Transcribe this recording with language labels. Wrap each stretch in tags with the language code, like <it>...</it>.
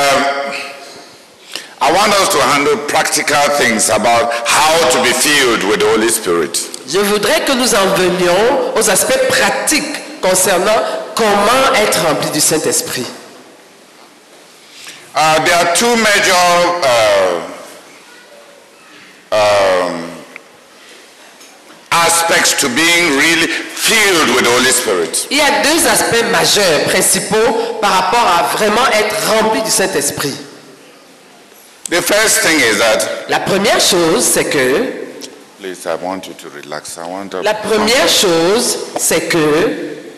<en>want us to handle practical things about how to be filled with the Holy Spirit.</en> <fr>Je voudrais que nous en venions aux aspects pratiques concernant comment être rempli du Saint-Esprit.</fr> <en>There are two major aspects to being really filled with the Holy Spirit.</en> <fr>Il y a deux aspects majeurs, principaux, par rapport à vraiment être rempli du Saint-Esprit.</fr> <en>The first thing is that.</en> <fr>La première chose, c'est que.</fr> <en>Please, I want you to relax. I want to.</en> <fr>La première chose, c'est que.</fr>